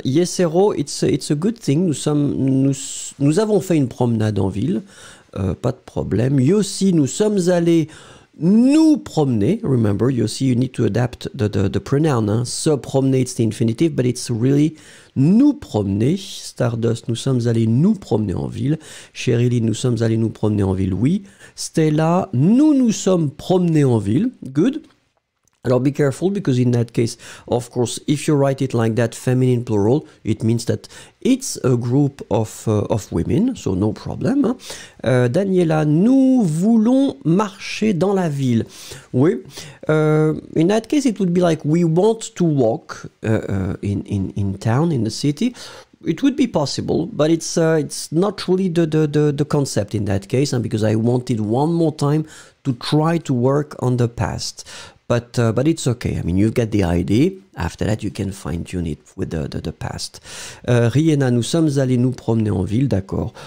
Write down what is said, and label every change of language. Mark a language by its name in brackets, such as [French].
[French] Yesero, [English] it's a good thing. [French] Nous avons fait une promenade en ville. Pas de problème. Yossi, nous sommes allés nous promener. [English] Remember, Yossi, you need to adapt the pronoun. Hein. Se promener, it's the infinitive, but it's really nous promener. [French] Stardust, nous sommes allés nous promener en ville. Cheryline, nous sommes allés nous promener en ville. Oui. Stella, nous nous sommes promenés en ville. Good. [English] Alors, be careful, because in that case, of course, if you write it like that, feminine plural, it means that it's a group of women, so no problem. [French] Daniela, nous voulons marcher dans la ville. [English] Oui, in that case, it would be like, we want to walk in town, in the city. It would be possible, but it's not really the concept in that case, and because I wanted one more time to try to work on the past. But it's okay. I mean, you've got the idea. After that, you can fine-tune it with the past. [French] Riena, nous sommes allés nous promener en ville, d'accord.